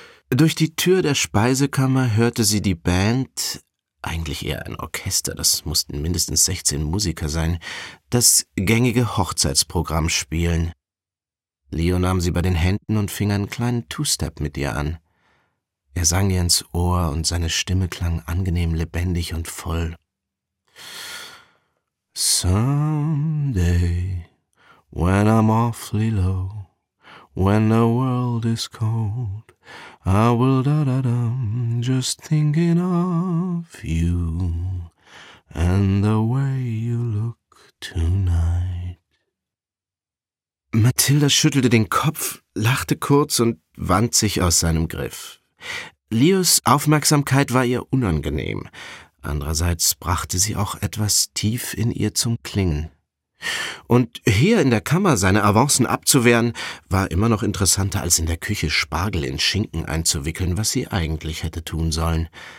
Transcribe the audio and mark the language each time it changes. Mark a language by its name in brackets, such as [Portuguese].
[German] Durch die Tür der Speisekammer hörte sie die Band, eigentlich eher ein Orchester, das mussten mindestens 16 Musiker sein, das gängige Hochzeitsprogramm spielen. Leo nahm sie bei den Händen und fing einen kleinen Two-Step mit ihr an. Er sang ihr ins Ohr und seine Stimme klang angenehm lebendig und voll. [English] Someday, when I'm awfully low, when the world is cold, I will da-da-dum, just thinking of you and the way you look tonight. [German] Mathilda schüttelte den Kopf, lachte kurz und wand sich aus seinem Griff. Leos Aufmerksamkeit war ihr unangenehm. Andererseits brachte sie auch etwas tief in ihr zum Klingen. Und hier in der Kammer seine Avancen abzuwehren, war immer noch interessanter, als in der Küche Spargel in Schinken einzuwickeln, was sie eigentlich hätte tun sollen.